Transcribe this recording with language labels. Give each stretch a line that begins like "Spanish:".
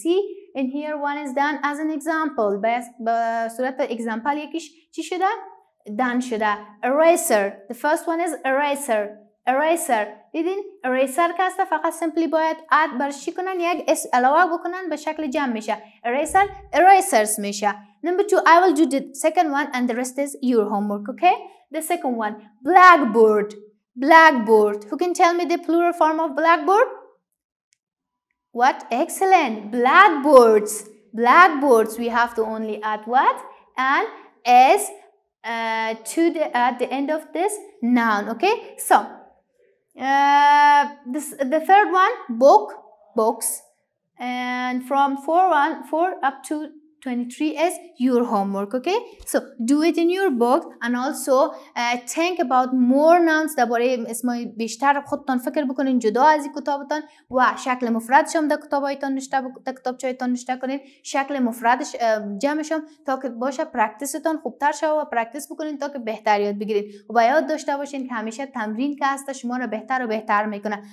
English: See in here one is done as an example
Persian: به صورت اگزامپل یکیش چی شده؟ done شده eraser
English: the first one is eraser eraser
Persian: دیدین eraser که هسته فقط simply باید add برش چی کنن یک s علاوه بکنن به شکل جمع میشه eraser erasers میشه.
English: Number two, I will do the second one and the rest is your homework, okay? The second one, blackboard. Blackboard. Who can tell me the plural form of blackboard? What? Excellent. Blackboards. Blackboards. We have to only add what? And S to the, at the end of this noun, okay? So, The third one, book, books. And from 4 up to 23 is your homework, okay? So do it in your book and also think about more nouns.
Persian: درباره اسمای بیشتر خودتان فکر بکنین جدا از این کتابتان و شکل مفردش هم در کتابایتان نشته در کتابچایتان نشته کنین شکل مفردش جمعش هم تا که باشه پرکتیستان خوبتر شوه و پرکتیس بکنین تا که بهتر یاد بگیرین و یاد داشته باشین که همیشه تمرین که هست شما رو بهتر و بهتر میکنه.